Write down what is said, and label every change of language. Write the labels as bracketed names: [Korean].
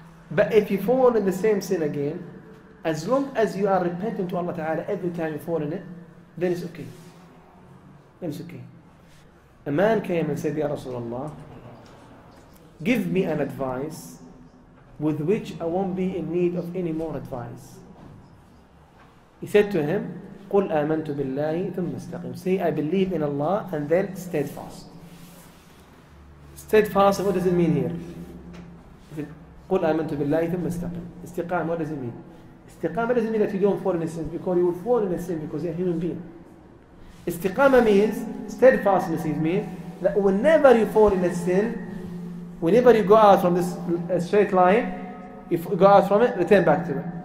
[English] But if you fall in the same sin again, as long as you are repentant to Allah Ta'ala every time you fall in it, then it's okay. A man came and said, Ya Rasulullah, give me an advice with which I won't be in need of any more advice. He said to him, [Arabic] قُلْ آمَنْتُ بِاللَّهِ ثُمَّ اسْتَقِيمُ. [English] Say, I believe in Allah and then steadfast. Steadfast, what does it mean here? [Arabic] قُلْ آمَنْتُ بِاللَّهِ ثُمَّ اسْتَقِيمُ. [English] Istiqam, what does it mean? Istiqam doesn't mean that you don't fall in a sin, because you will fall in a sin because you're a human being. Istiqamah means, steadfastness means, that whenever you fall in a sin, whenever you go out from this straight line, if you go out from it, return back to it.